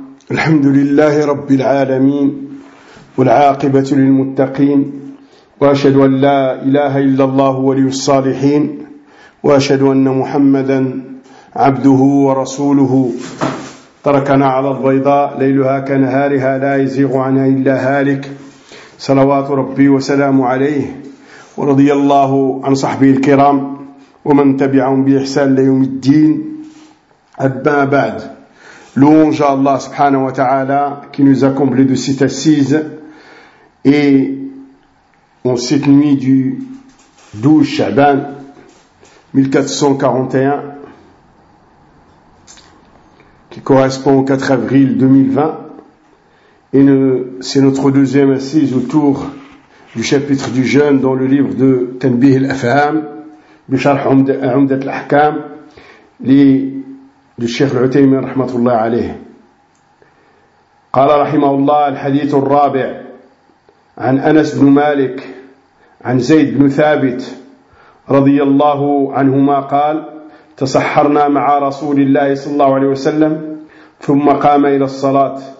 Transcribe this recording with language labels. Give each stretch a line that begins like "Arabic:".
Arabic: الحمد لله رب العالمين والعاقبة للمتقين، وأشهد أن لا إله إلا الله ولي الصالحين، وأشهد أن محمدا عبده ورسوله. تركنا على البيضاء ليلها كنهارها لا يزيغ عنها إلا هالك، صلوات ربي وسلام عليه ورضي الله عن صحبه الكرام ومن تبعهم بإحسان ليوم الدين. أما بعد، لونج الله سبحانه وتعالى
French: qui nous a comblé de cette assise et en cette nuit du 12 Shaban 1441 qui correspond au 4 avril 2020 c'est notre deuxième assise autour du chapitre du jeûne dans le livre de Tanbih al-Afham
Arabic: بشرح عمدة الأحكام للشيخ العثيمين رحمة الله عليه. قال رحمه الله الحديث الرابع عن أنس بن مالك عن زيد بن ثابت رضي الله عنهما قال: تسحرنا مع رسول الله صلى الله عليه وسلم ثم قام إلى الصلاة.